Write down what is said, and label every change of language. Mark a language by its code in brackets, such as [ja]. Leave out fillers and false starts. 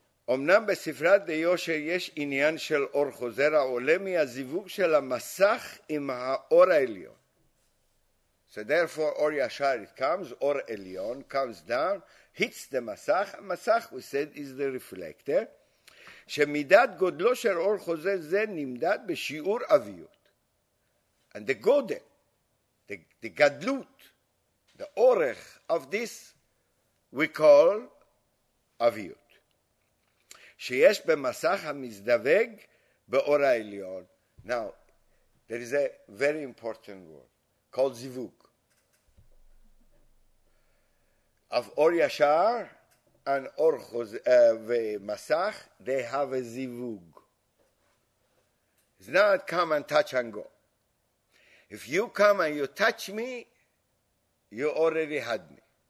[he] אמנם בספרת דיושר יש עניין של אור חוזר העולה מהזיווג של המסך עם האור העליון. [en] So therefore, אור ישר, it comes, אור עליון, comes down, hits the מסך. המסך, we said, is the reflector. [he] שמידת גודלו של אור חוזר זה נמדד בשיעור אביות. [en] And the גודל, the גדלות, the אורך of this, we call אביות. [he] שיש במסך המזדווג באור העליון. [en] Now, there is a very important word called זיווג. Of אור ישר and אור ומסך, they have a זיווג. It's not come and touch and go. If you come and you touch me, you already had me.